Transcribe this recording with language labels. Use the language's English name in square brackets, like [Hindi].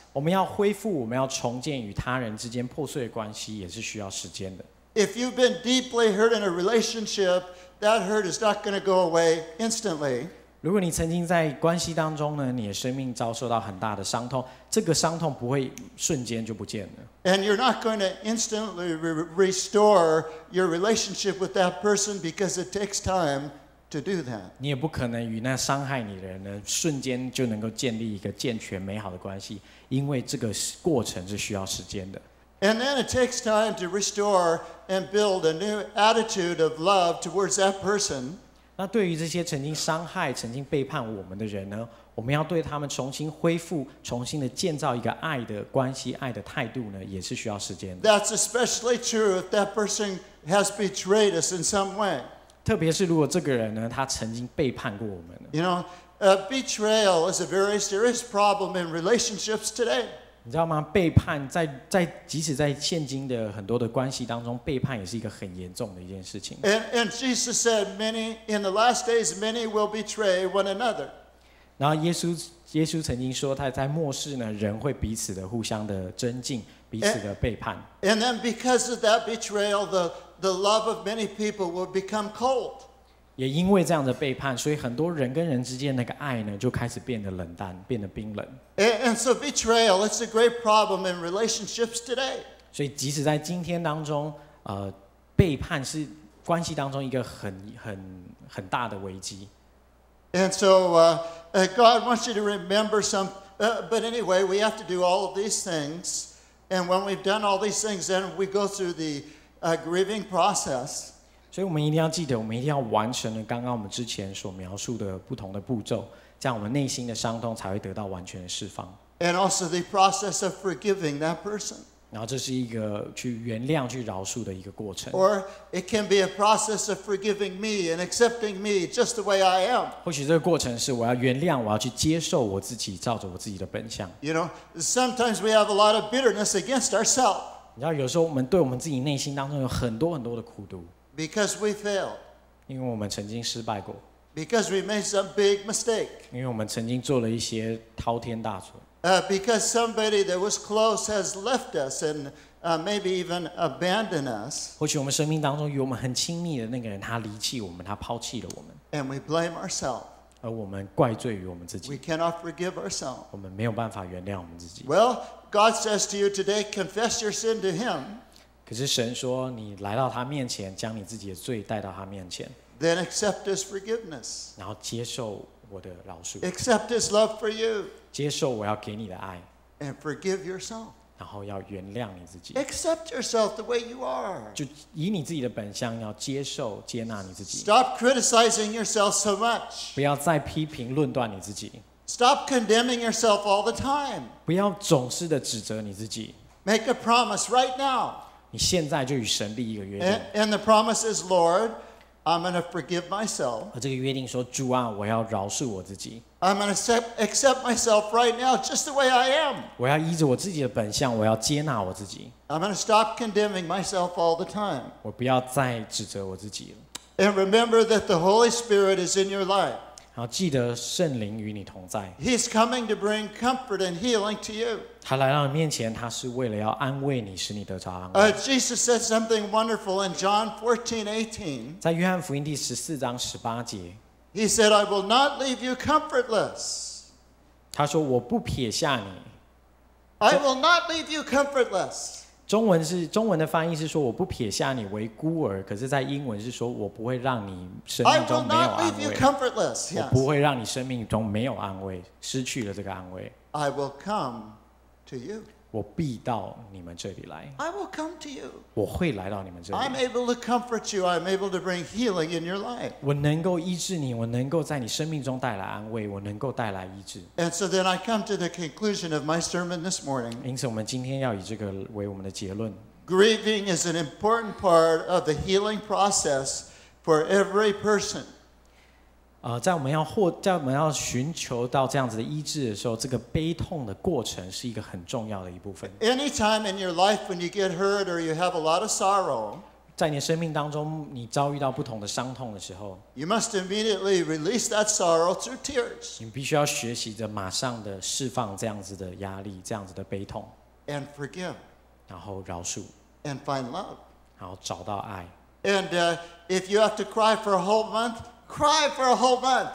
[Chinese] 我们要恢复、我们要重建与他人之间破碎的关系，也是需要时间的。 [English] If you've been deeply hurt in a relationship,That hurt is not going to go away instantly. [Chinese] 如果你曾经在关系当中呢，你的生命遭受到很大的伤痛，这个伤痛不会瞬间就不见了。 [English] And you're not going to instantly restore your relationship with that person because it takes time to do that. [Chinese] 你也不可能与那伤害你的人呢，瞬间就能够建立一个健全美好的关系，因为这个过程是需要时间的。 [English] And then it takes time to restore and build a new attitude of love towards that person. [Chinese] 那对于这些曾经伤害、曾经背叛我们的人呢，我们要对他们重新恢复、重新的建造一个爱的关系、爱的态度呢，也是需要时间的。 [English] That's especially true if that person has betrayed us in some way. [Chinese] 特别是如果这个人呢，他曾经背叛过我们。 [English] You know, betrayal is a very serious problem in relationships today. [Chinese] 你知道吗？背叛在即使在现今的很多的关系当中，背叛也是一个很严重的一件事情。 [English] And Jesus said, "Many in the last days, many will betray one another." [Chinese] 然后耶稣曾经说，他在末世呢，人会彼此的互相的增进，彼此的背叛。 [English] And then because of that betrayal, the love of many people will become cold. [Chinese] 也因为这样的背叛，所以很多人跟人之间那个爱呢，就开始变得冷淡，变得冰冷。 [English] And so betrayal, it's a great problem in relationships today. [Chinese] 所以即使在今天当中，背叛是关系当中一个很大的危机。 [English] And so God wants you to remember some, but anyway, we have to do all of these things. And when we've done all these things, then we go through the grieving process. [Chinese] 所以我们一定要记得，我们一定要完成了刚刚我们之前所描述的不同的步骤，这样我们内心的伤痛才会得到完全的释放。 [English] And also the process of forgiving that person. [Chinese] 然后这是一个去原谅、去饶恕的一个过程。 [English] Or it can be a process of forgiving me and accepting me just the way I am. [Chinese] 或许这个过程是我要原谅，我要去接受我自己，照着我自己的本相。 [English] You know, sometimes we have a lot of bitterness against ourselves. [Chinese] 你知道，有时候我们对我们自己内心当中有很多很多的苦毒。 [English] Because we failed. [Chinese] 因为我们曾经失败过。 [English] Because we made some big mistake. [Chinese] 因为我们曾经做了一些滔天大错。 [English] Because somebody that was close has left us and maybe even abandoned us. [Chinese] 或许我们生命当中与我们很亲密的那个人，他离弃我们，他抛弃了我们。 [English] And we blame ourselves. [Chinese] 而我们怪罪于我们自己。 [English] We cannot forgive ourselves. [Chinese] 我们没有办法原谅我们自己。 [English] Well, God says to you today, confess your sin to Him. [Chinese] 可是神说，你来到他面前，将你自己的罪带到他面前。 [English] Then accept his forgiveness. [Chinese] 然后接受我的饶恕。 [English] Accept his love for you. [Chinese] 接受我要给你的爱。 [English] And forgive yourself. [Chinese] 然后要原谅你自己。 [English] Accept yourself the way you are. [Chinese] 就以你自己的本相，要接受、接纳你自己。 [English] Stop criticizing yourself so much. [Chinese] 不要再批评、论断你自己。 [English] Stop condemning yourself all the time. [Chinese] 不要总是的指责你自己。 [English] Make a promise right now. [Chinese] 你现在就与神立一个约定。 [English] And the promise is, Lord, I'm going to forgive myself. [Chinese] 这个约定说，主啊，我要饶恕我自己。 [English] I'm going to accept myself right now, just the way I am. [Chinese] 我要依着我自己的本相，我要接纳我自己。 [English] I'm going to stop condemning myself all the time. [Chinese] 我不要再指责我自己了。 [English] And remember that the Holy Spirit is in your life. [Chinese] 然后记得圣灵与你同在。 [English] He's coming to bring comfort and healing to you. [Chinese] 他来到你面前，他是为了要安慰你，使你得着安慰。 [English] Jesus said something wonderful in John 14:18. [Chinese] 在约翰福音第十四章十八节 [English] ，He said, "I will not leave you comfortless." [Chinese] 他说：“我不撇下你。 [English] "I will not leave you comfortless. [Chinese] 中文的翻译是说我不撇下你为孤儿，可是在英文是说我不会让你生命中没有安慰。 [English] I will not leave you comfortless. Yes. [Chinese] 我不会让你生命中没有安慰，失去了这个安慰。 [English] I will come to you. [Chinese] 我必到你们这里来。 [English] I will come to you. [Chinese] 我会来到你们这里。 [English] I'm able to comfort you. I'm able to bring healing in your life. [Chinese] 我能够医治你，我能够在你生命中带来安慰，我能够带来医治。 [English] And so then I come to the conclusion of my sermon this morning. [Chinese] 因此我们今天要以这个为我们的结论。 [English] Grieving is an important part of the healing process for every person. [Chinese] 在我们要寻求到这样子的医治的时候，这个悲痛的过程是一个很重要的一部分。 [English] Anytime in your life when you get hurt or you have a lot of sorrow, [Chinese] 在你的生命当中，你遭遇到不同的伤痛的时候， [English] you must immediately release that sorrow through tears. [Chinese] 你必须要学习着马上的释放这样子的压力，这样子的悲痛。 [English] And forgive. [Chinese] 然后饶恕。 [English] And find love. [Chinese] 然后找到爱。 [English] And if you have to cry for a whole month,Cry for a whole month.